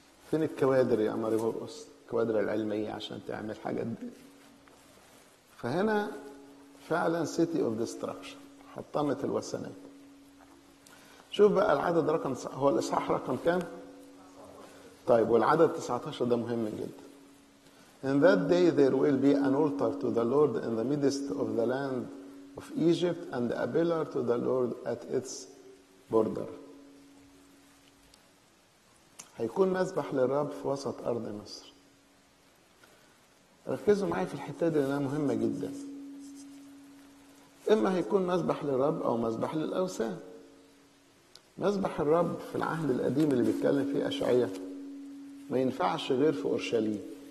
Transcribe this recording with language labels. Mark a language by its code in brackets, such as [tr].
[ar] فين الكوادر يا ماري مرقس؟ الكوادر العلمية عشان تعمل حاجة دي. فهنا فعلا [en] city of destruction، [ar] حطمت الوثنية. شوف بقى العدد رقم، هو الإصحاح رقم كام؟ طيب، والعدد 19 ده مهم جدا. [en] In that day there will be an altar to the Lord in the midst of the land of Egypt and a pillar to the Lord at its border. [ar] هيكون مذبح للرب في وسط أرض مصر. ركزوا معي في الحتة دي لأنها مهمة جدا. إما هيكون مذبح للرب أو مذبح للأوثان. مذبح الرب في العهد القديم اللي بيتكلم فيه أشعياء ما ينفعش غير في أورشليم.